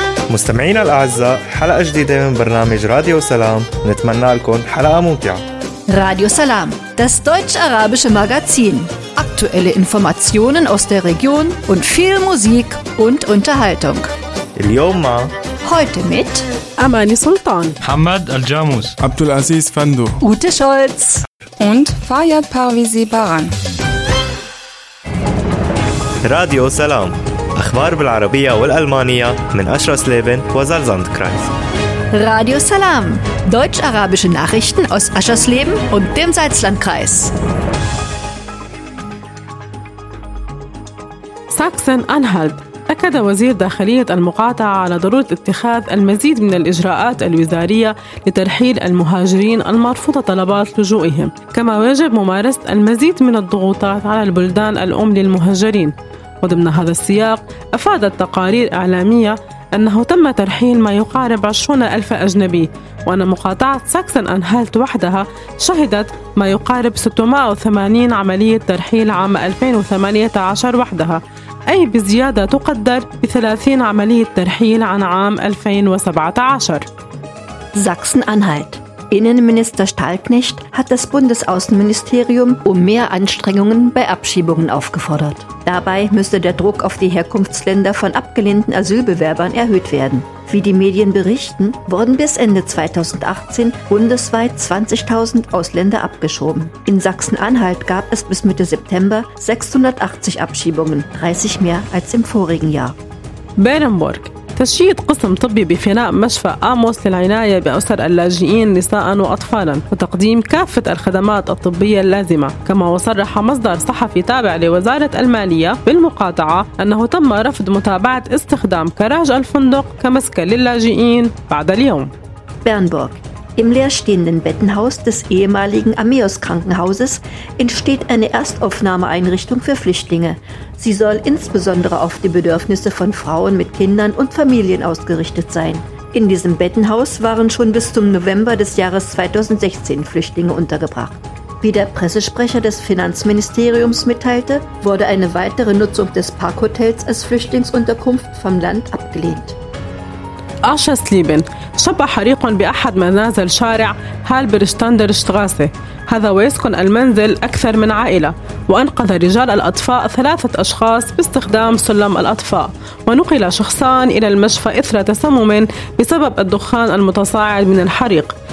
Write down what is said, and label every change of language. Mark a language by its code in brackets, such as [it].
[ar] مستمعينا الأعزاء، حلقة جديدة من برنامج راديو سلام، نتمنى لكم حلقة ممتعة. [de] راديو سلام، das deutsch-arabische Magazin. Aktuelle Informationen aus der Region und viel Musik und Unterhaltung. [ar] اليوم مع [de] heute mit Amani Sultan, Hamad Al-Jamus, Abdulaziz Fandu, Ute Scholz und Fayyad Parvizi Baran. [ar] راديو سلام، أخبار بالعربية والألمانية من أشرس ليبن وزلزانت كرايز. [de] راديو سلام، deutsch-arabische Nachrichten aus Aschersleben und dem Salzlandkreis. [ar] ساكسن أنهالت، أكد وزير داخلية المقاطعة على ضرورة اتخاذ المزيد من الإجراءات الوزارية لترحيل المهاجرين المرفوضة طلبات لجوئهم، كما يجب ممارسة المزيد من الضغوطات على البلدان الأم للمهاجرين. وضمن هذا السياق، أفادت تقارير إعلامية أنه تم ترحيل ما يقارب 20,000 أجنبي، وأن مقاطعة ساكسن أنهالت وحدها شهدت ما يقارب 680 عملية ترحيل عام 2018 وحدها، أي بزيادة تقدر ب 30 عملية ترحيل عن عام 2017. [de] ساكسن أنهالت Innenminister Stahlknecht hat das Bundesaußenministerium um mehr Anstrengungen bei Abschiebungen aufgefordert. Dabei müsste der Druck auf die Herkunftsländer von abgelehnten Asylbewerbern erhöht werden. Wie die Medien berichten, wurden bis Ende 2018 bundesweit 20.000 Ausländer abgeschoben. In Sachsen-Anhalt gab es bis Mitte September 680 Abschiebungen, 30 mehr als im vorigen Jahr. Berenburg. [ar] تشييد قسم طبي بفناء مشفى آموس للعناية بأسر اللاجئين نساء وأطفالا وتقديم كافة الخدمات الطبية اللازمة، كما وصرح مصدر صحفي تابع لوزارة المالية بالمقاطعة أنه تم رفض متابعة استخدام كراج الفندق كمسكن للاجئين بعد اليوم. [de] بيرنبورغ Im leerstehenden Bettenhaus des ehemaligen Amios-Krankenhauses entsteht eine Erstaufnahmeeinrichtung für Flüchtlinge. Sie soll insbesondere auf die Bedürfnisse von Frauen mit Kindern und Familien ausgerichtet sein. In diesem Bettenhaus waren schon bis zum November des Jahres 2016 Flüchtlinge untergebracht. Wie der Pressesprecher des Finanzministeriums mitteilte, wurde eine weitere Nutzung des Parkhotels als Flüchtlingsunterkunft vom Land abgelehnt. [ar] Aschersleben شب حريق بأحد منازل شارع هالبرشتاندر شتغاسة، هذا ويسكن المنزل أكثر من عائلة، وأنقذ رجال الأطفاء 3 أشخاص باستخدام سلم الأطفاء، ونقل شخصان إلى المشفى إثر تسمم بسبب الدخان المتصاعد من الحريق.